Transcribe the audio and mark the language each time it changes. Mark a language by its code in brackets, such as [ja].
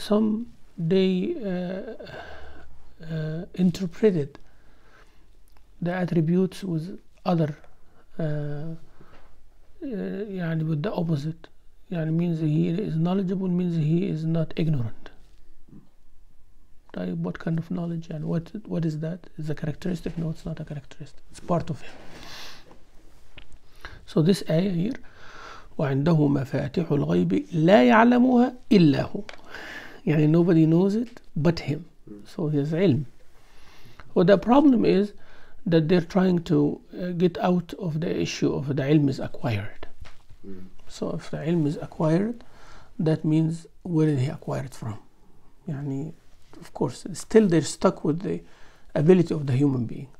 [en] Some they interpreted the attributes with other [ar] يعني [en] with the opposite, يعني means he is knowledgeable means he is not ignorant. [ar] طيب, [en] what kind of knowledge and what is that? Is a characteristic? No, it's not a characteristic, it's part of him. So this ayah here, [ar] وعنده مفاتيح الغيب لا يعلمها إلا هو, يعني [en] nobody knows it but him. So his ilm. Well, the problem is that they're trying to get out of the issue of the ilm is acquired. So if the ilm is acquired, that means where did he acquire it from? [ar] يعني, [en] of course, still they're stuck with the ability of the human being.